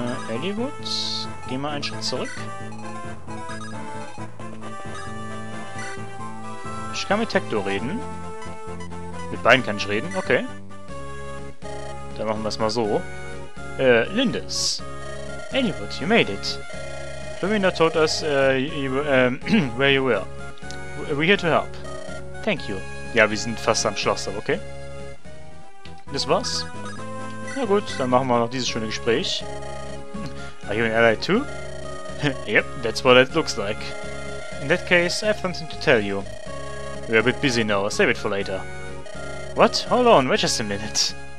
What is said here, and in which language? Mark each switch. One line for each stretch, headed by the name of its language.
German: Eliwood, geh mal einen Schritt zurück. Ich kann mit Tecto reden. Mit beiden kann ich reden, okay. Dann machen wir es mal so.
English: Lindis. Eliwood, you made it. Flumina told us where you were. We're here to help. Thank you.
German: Ja, wir sind fast am Schloss, aber okay. Das war's. Na gut, dann machen wir noch dieses schöne Gespräch.
English: Are you an ally too? Yep, that's what it looks like. In that case, I have something to tell you. We're a bit busy now, save it for later. What? Hold on, wait just a minute.